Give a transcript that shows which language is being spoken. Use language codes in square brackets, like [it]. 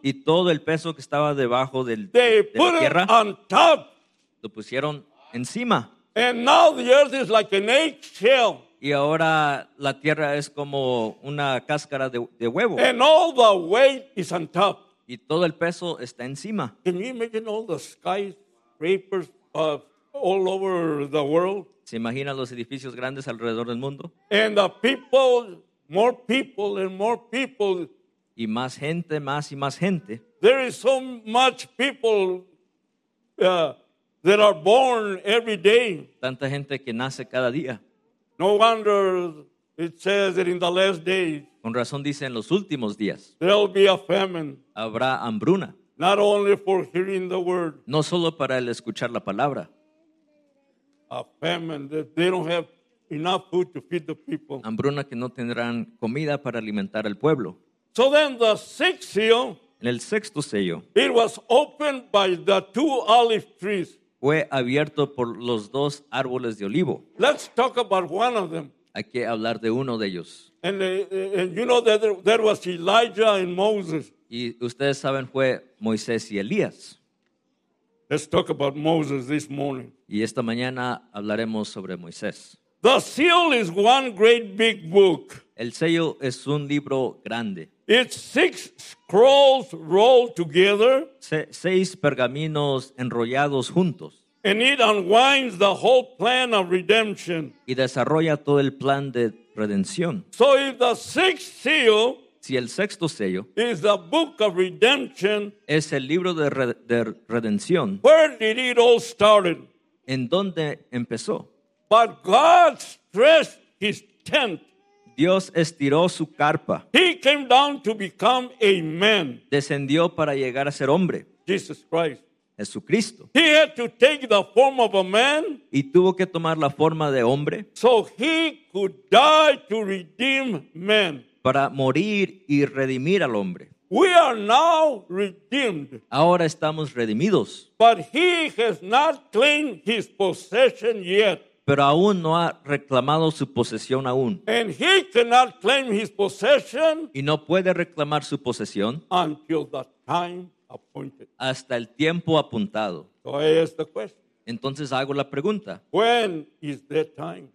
[es] Y todo el peso que estaba debajo del, [en] they [es] de la [en] put [es] tierra. [en] It on top. [es] Lo pusieron encima. [en] And now the earth is like an eggshell. [es] Y ahora la tierra es como una cáscara de huevo. [en] And all the weight is on top. [es] Y todo el peso está encima. [en] Can you imagine all the skyscrapers of all over the world? [es] ¿Se imagina los edificios grandes alrededor del mundo? [en] And the people, more people and more people. [es] Y más gente, más y más gente. [en] There is so much people that are born every day. [es] Tanta gente que nace cada día. [en] No wonder it says that in the last days. [es] Con razón dice en los últimos días. [en] There will be a famine. [es] Habrá hambruna. [en] Not only for hearing the word. [es] No solo para el escuchar la palabra. [en] A famine that they don't have enough food to feed the people. [es] Hambruna que no tendrán comida para alimentar al pueblo. [en] So then the sixth seal. [es] En el sexto sello. [en] It was opened by the two olive trees. [es] Fue abierto por los dos árboles de olivo. [en] Let's talk about one of them. [es] Hay que hablar de uno de ellos. [en] And you know that there was Elijah and Moses. [es] Y ustedes saben fue Moisés y Elías. [en] Let's talk about Moses this morning. [es] Y esta mañana hablaremos sobre Moisés. [en] The seal is one great big book. [es] El sello es un libro grande. [en] It's six scrolls rolled together. [es] Seis pergaminos enrollados juntos. [en] And it unwinds the whole plan of redemption. [es] Y desarrolla todo el plan de redención. [en] So if the sixth seal, [es] si el sexto sello, [en] is the book of redemption, [es] es el libro de redención, [en] where did it all started? [es] ¿En dónde empezó? [en] But God stretched his tent. [es] Dios estiró su carpa. [en] He came down to become a man. [es] Descendió para llegar a ser hombre. [en] Jesus Christ. [es] Jesucristo. [en] He had to take the form of a man. [es] Y tuvo que tomar la forma de hombre. [en] So he could die to redeem man. [es] Para morir y redimir al hombre. [en] We are now redeemed. [es] Ahora estamos redimidos. [en] But he has not claimed his possession yet. [es] Pero aún no ha reclamado su posesión aún. [en] And he cannot claim his possession. [es] Y no puede reclamar su posesión. [en] Until the time. Appointed. [es] Hasta el tiempo apuntado. [en] So I ask the question. [es] Entonces hago la pregunta. [en] When is that time?